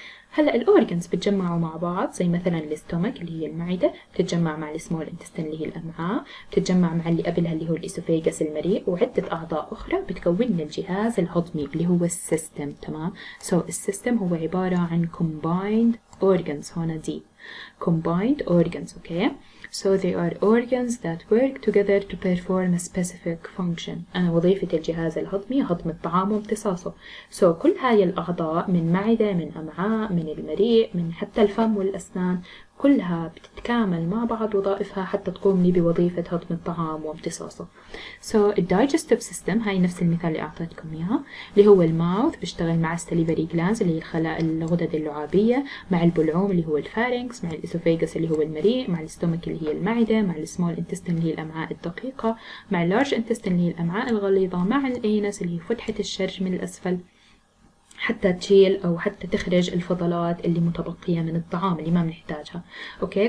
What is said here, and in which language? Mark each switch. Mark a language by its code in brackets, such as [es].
[ar] هلا الاورجانز بتجمعوا مع بعض، زي مثلا الاستومك اللي هي المعده بتتجمع مع السمول انتستين اللي هي الامعاء، بتتجمع مع اللي قبلها اللي هو الاسوفيجس المريء، وعده اعضاء اخرى بتكون لنا الجهاز الهضمي اللي هو السيستم، تمام. سو السيستم هو عباره عن كومبايند اورجانز، هون دي كومبايند اورجانز، اوكي. [en] So they are organs that work together to perform a specific function. [ar] أنا وظيفة الجهاز الهضمي هضم الطعام وامتصاصه. So كل هاي الأعضاء من معدة، من أمعاء، من المريء، من حتى الفم والأسنان، كلها بتتكامل مع بعض وظائفها حتى تقوم لي بوظيفة هضم الطعام وامتصاصه. [en] So the digestive system، [ar] هاي نفس المثال اللي أعطيتكم إياها، اللي هو الماوث بيشتغل مع السليفري جلانز اللي هي الخلايا الغدد اللعابية، مع البلعوم اللي هو الفارينكس، مع الإسوفيجس اللي هو المريء، مع الاستومك اللي هي المعدة، مع السمول انتستين اللي هي الأمعاء الدقيقة، مع اللارج انتستين اللي هي الأمعاء الغليظة، مع الأنس اللي هي فتحة الشرج من الأسفل حتى تشيل او حتى تخرج الفضلات اللي متبقيه من الطعام اللي ما بنحتاجها، اوكي.